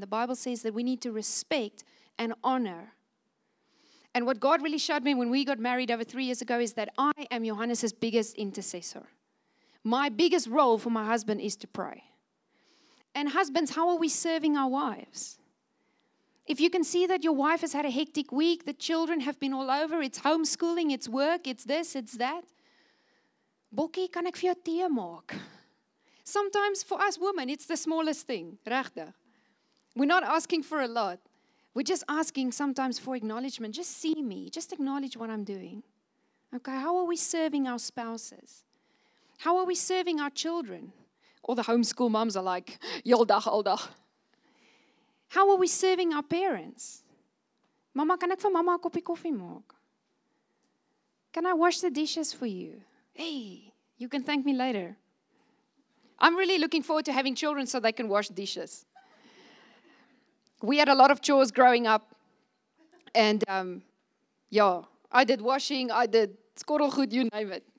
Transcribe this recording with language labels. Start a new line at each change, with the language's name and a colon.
English: The Bible says that we need to respect and honor. And what God really showed me when we got married over 3 years ago is that I am Johannes' biggest intercessor. My biggest role for my husband is to pray. And husbands, how are we serving our wives? If you can see that your wife has had a hectic week, the children have been all over, it's homeschooling, it's work, it's this, it's that.
Afrikaans: Bokkie, kan ek vir jou tee maak?
English: Sometimes for us women, it's the smallest thing.
Afrikaans: Regtig.
English: We're not asking for a lot. We're just asking sometimes for acknowledgement. Just see me. Just acknowledge what I'm doing. Okay, how are we serving our spouses? How are we serving our children? All the homeschool moms are like,
Afrikaans: yol dag, al dag.
English: How are we serving our parents?
Afrikaans: Mama, kan ek vir mama 'n koppie koffie maak?
English: Can I wash the dishes for you? Hey, you can thank me later. I'm really looking forward to having children so they can wash dishes. We had a lot of chores growing up. And I did washing, I did skottelgoed, you name it.